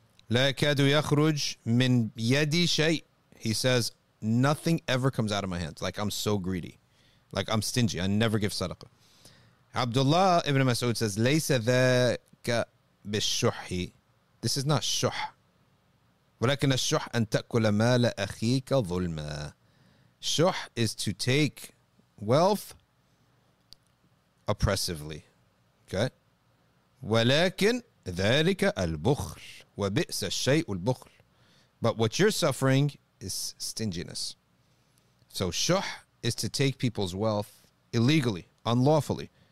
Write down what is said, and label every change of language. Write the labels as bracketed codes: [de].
[ar] لا يكاد يخرج من يدي شيء. [en] He says, nothing ever comes out of my hands. Like, I'm so greedy. Like, I'm stingy. I never give sadaqah. Abdullah ibn Mas'ud says, [ar] ليس ذاك بالشح. [en] This is not shuh. [ar] ولكن الشح أن تأكل مال أخيك ظلما. [en] Shuh is to take wealth oppressively. Okay? [ar] ولكن ذلك البخل. وَبِئْسَ الشَّيْءُ الْبُخْلُ. [en] But what you're suffering is stinginess. So shuh is to take people's wealth illegally, unlawfully.